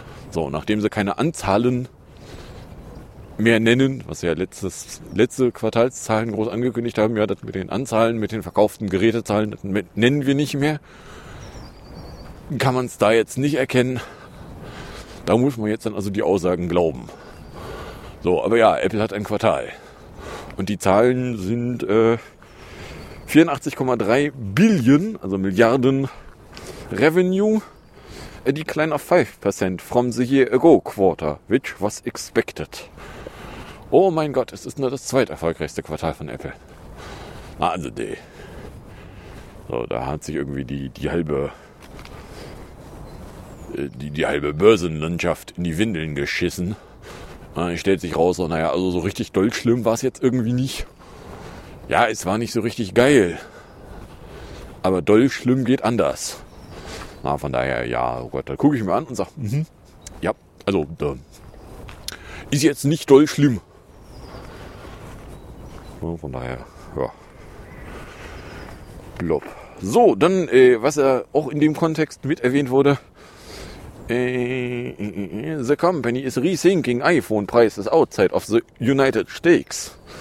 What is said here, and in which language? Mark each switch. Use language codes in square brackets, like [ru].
[de] So, nachdem sie keine Anzahlen mehr nennen, was sie ja letzte Quartalszahlen groß angekündigt haben, ja, das mit den Anzahlen, mit den verkauften Gerätezahlen, das nennen wir nicht mehr, kann man es da jetzt nicht erkennen. Da muss man jetzt dann also die Aussagen glauben. So, aber ja, Apple hat ein Quartal. Und die Zahlen sind 84,3 Billion, also Milliarden Revenue, [en] a decline of 5% from the year ago quarter, which was expected. [de] Oh mein Gott, es ist nur das zweiterfolgreichste Quartal von Apple. Also, nee. So, da hat sich irgendwie die halbe Börsenlandschaft in die Windeln geschissen. Stellt sich raus, also so richtig doll schlimm war es jetzt irgendwie nicht. Ja, es war nicht so richtig geil. Aber doll schlimm geht anders. Na, von daher, ja, oh Gott, da gucke ich mir an und sage, ja, also, da ist jetzt nicht doll schlimm. Na, von daher, ja. Blob. So, dann, was ja auch in dem Kontext mit erwähnt wurde, [en] The company is rethinking iPhone prices outside of the United States.